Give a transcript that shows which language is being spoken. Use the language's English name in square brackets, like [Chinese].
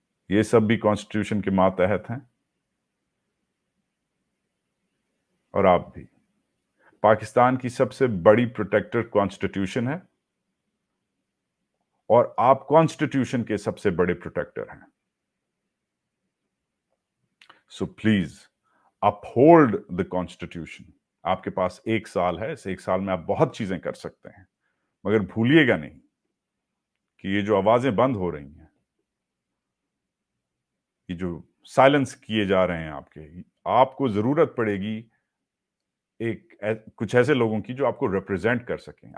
[Urdu] یہ سب بھی کانسٹیٹیوشن کے ماتحت ہیں, اور آپ بھی. پاکستان کی سب سے بڑی پروٹیکٹر کانسٹیٹیوشن ہے, اور آپ کانسٹیٹیوشن کے سب سے بڑے پروٹیکٹر ہیں. [English] So please uphold the constitution. [Urdu] آپ کے پاس ایک سال ہے, اس ایک سال میں آپ بہت چیزیں کر سکتے ہیں, مگر بھولیے گا نہیں کہ یہ جو آوازیں بند ہو رہی ہیں, یہ جو سائلنس کیے جا رہے ہیں آپ کے, آپ کو ضرورت پڑے گی ایک کچھ ایسے لوگوں کی جو آپ کو ریپرزینٹ کر سکیں.